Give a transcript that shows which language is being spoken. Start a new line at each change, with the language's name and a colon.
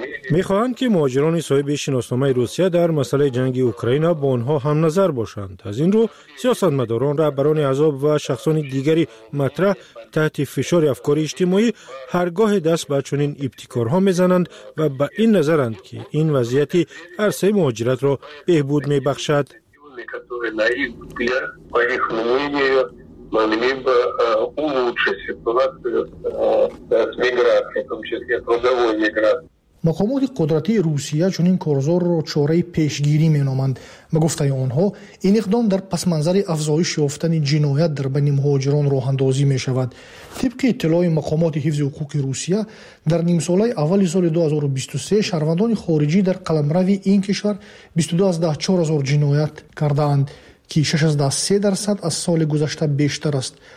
Persian: می خواهند که مهاجران صاحب شناسنامه روسیه در مسئله جنگ اوکراین با آنها هم نظر باشند. از این رو سیاستمداران، رهبران احزاب و شخصان دیگری مطرح تحت فشار افکار اجتماعی هرگاه دست به چنین ابتکارها می زنند و به این نظرند که این وضعیت عرصه مهاجرت را بهبود می بخشد.
Russian: Которые на их взгляд, по их мнению, могли бы улучшить ситуацию с миграцией, в том числе трудовой миграцией.
Persian: مقامات قدرتی روسیه چنین کارزار را چاره پیشگیری می نامند. به گفته آنها، این اقدام در پسمنظر افزایش یافتن جنایت در بین مهاجران راه اندازی می شود. طبق اطلاع مقامات حفظ حقوق روسیه، در نیم ساله اول سال 2023 شهروندان خارجی در قلمرو این کشور 22,400 جنایت کرده اند که 6.3% از سال گذشته بیشتر است.